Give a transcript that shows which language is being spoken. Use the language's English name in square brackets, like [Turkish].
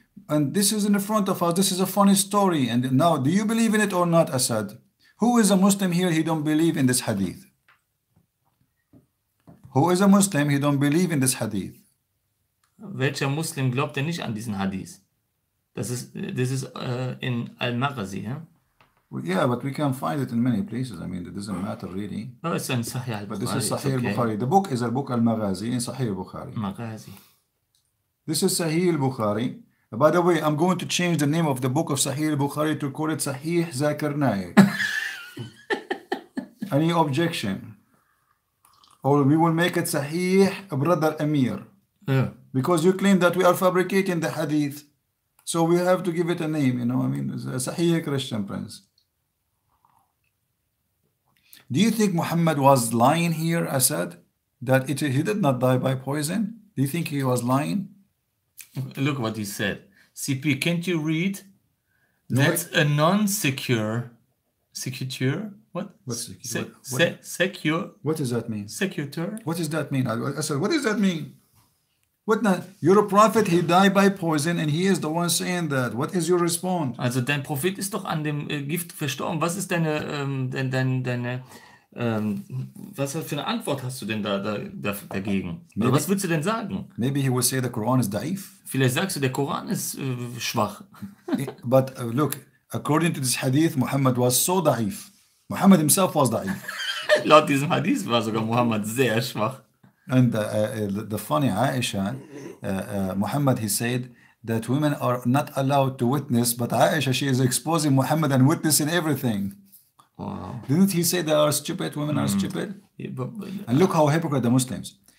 [English] And this is in the front of us. This is a funny story. And now, do you believe in it or not, Assad? Who is a Muslim here? He don't believe in this hadith. Who is a Muslim? He don't believe in this hadith. [German] Welcher Muslim glaubt denn nicht an diesen Hadith? [English] This is in Al-Maghazi, yeah? Yeah, but we can find it in many places. I mean, it doesn't matter really. No, it's in Sahih Al-Bukhari. But this is Sahih Al-Bukhari. Okay. The book is Al-Bukh Al-Maghazi in Sahih Al-Bukhari. Maghazi. This is Sahih Al-Bukhari. By the way, I'm going to change the name of the book of Sahih Al-Bukhari to call it Sahih Zakarnai. Any objection? Or we will make it Sahih Brother Amir. Yeah. Because you claim that we are fabricating the hadith. So we have to give it a name, you know what I mean? Sahih Christian Prince. Do you think Muhammad was lying here, Asad? That he did not die by poison? Do you think he was lying? Look what he said. CP, can't you read? No, that's a non-secure... Secure? What? What's secure? What does that mean? Secure? What does that mean? Asad, what does that mean? What not? You're a prophet, he died by poison, and he is the one saying that. What is your response? [German] Also, dein Prophet ist doch an dem Gift verstorben. Was ist deine, was für eine Antwort hast du denn da dagegen? Maybe, oder was würdest du denn sagen? [English] Maybe he will say the Quran is daif. [German] Vielleicht sagst du, der Koran ist schwach. [English] But look, according to this hadith, Muhammad was so daif. Muhammad himself was daif. [German] Laut diesem Hadith war sogar Muhammad sehr schwach. [English] And the funny Aisha, Muhammad, he said that women are not allowed to witness, but Aisha, she is exposing Muhammad and witnessing everything. Wow. Didn't he say they are stupid, women are stupid? Yeah, but, and look how hypocrite the Muslims.